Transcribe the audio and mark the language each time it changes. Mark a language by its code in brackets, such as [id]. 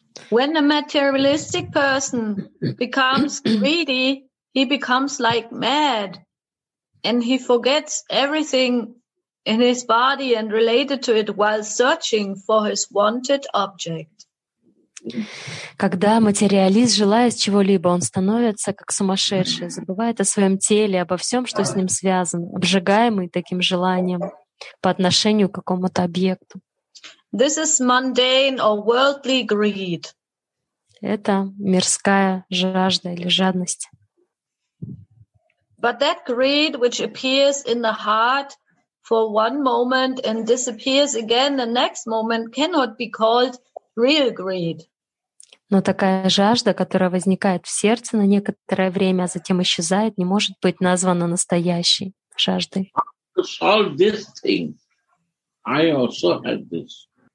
[en] When a materialistic person becomes greedy, he becomes like mad, and he forgets everything in his body and related to it while searching for his wanted object. [ru] Когда материалист желает чего-либо, он становится как сумасшедший, забывает о своем теле, обо всем, что с ним связано, обжигаемый таким желанием по отношению к какому-то объекту. [en] This is mundane or worldly greed. [ru] Это мирская жажда или жадность. [en] But that greed which appears in the heart for one moment and disappears again the next moment cannot be called real greed. [ru] Но такая жажда, которая возникает в сердце на некоторое время, а затем исчезает, не может быть названа настоящей жаждой. [en] To solve this thing, I also had this.